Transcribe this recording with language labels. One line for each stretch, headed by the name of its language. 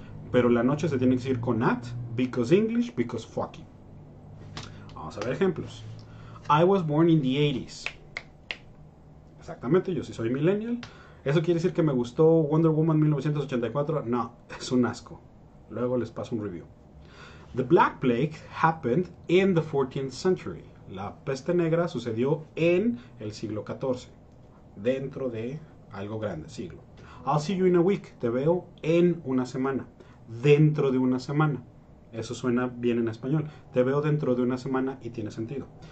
Spanish: Pero la noche se tiene que decir con at,
English: because English, because fucking.
Spanish: Vamos a ver ejemplos.
English: I was born in the 80s.
Spanish: Exactamente, yo sí soy millennial. ¿Eso quiere decir que me gustó Wonder Woman 1984? No, es un asco. Luego les paso un review.
English: The Black Plague happened in the 14th century.
Spanish: La peste negra sucedió en el siglo XIV. Dentro de algo grande, siglo.
English: I'll see you in a week.
Spanish: Te veo en una semana. Dentro de una semana. Eso suena bien en español. Te veo dentro de una semana y tiene sentido.